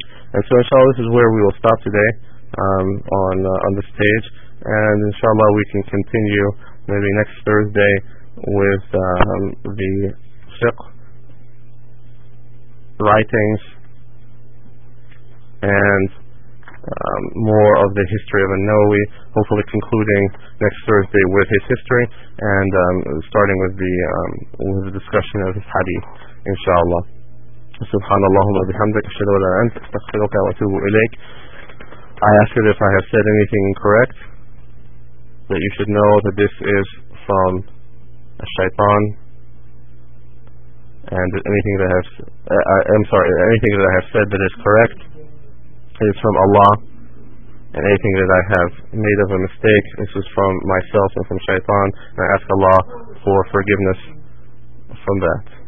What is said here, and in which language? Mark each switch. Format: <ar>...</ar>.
<en>And so, inshallah, this is where we will stop today on this page, and inshallah, we can continue maybe next Thursday with the fiqh writings and more of the history of An-Nawawi, hopefully concluding next Thursday with his history and starting with the discussion of his hadith, inshallah.</en> <ar>سبحان الله وبحمدك أشهد أن لا إله إلا أنت أستغفرك وأتوب إليك.</ar> <en>I ask you if I have said anything incorrect, that you should know that this is from a shaitan, and anything that anything that I have said that is correct is from Allah, and anything that I have made of a mistake, this is from myself and from shaitan, and I ask Allah for forgiveness from that.</en>